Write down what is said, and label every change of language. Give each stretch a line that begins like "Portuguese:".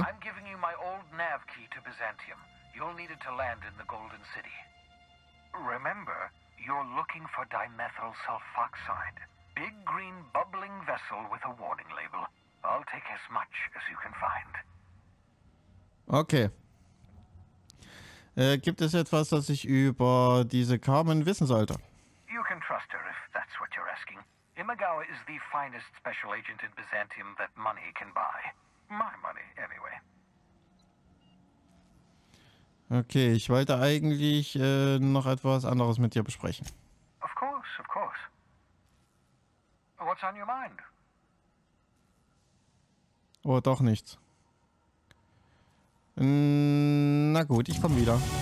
English: I'm giving you my old nav key to Byzantium. You'll need it to land in the Golden City. Remember, you're looking for dimethyl sulfoxide. Big green bubbling vessel with a warning label. I'll take as much as you can find. Okay.
German: Gibt es etwas, das ich über diese Carmen wissen sollte?
English: You can trust her if that's what you're asking. Imagawa is the finest special agent in Byzantium that money can buy. My money, anyway.
German: Okay, ich wollte eigentlich noch etwas anderes mit dir besprechen.
English: Of course, of course. What's on your mind?
German: Oh, doch nichts. Na gut, ich komme wieder.